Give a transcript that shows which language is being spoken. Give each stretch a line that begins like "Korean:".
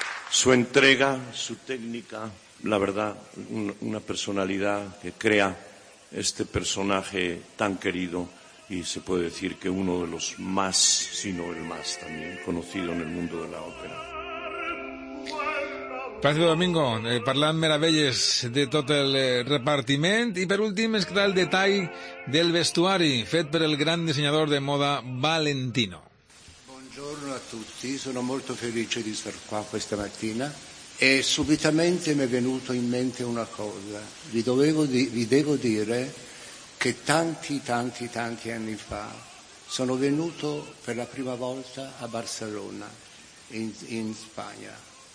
Spanish: su entrega, su técnica, la verdad, una personalidad que crea este personaje tan querido y se puede decir que uno de los más, si no el más también, conocido en el mundo de la ópera.
Catalan: Plàcido Domingo, parlant meravelles de tot el repartiment i per últim es queda el detall del vestuari fet per el gran dissenyador de moda Valentino.
Italian: Buongiorno a tutti, sono molto felice di star qua questa mattina e subitamente mi è venuto in mente una cosa. Vi devo dire che tanti anni fa sono venuto per la prima volta a Barcelona in Spagna.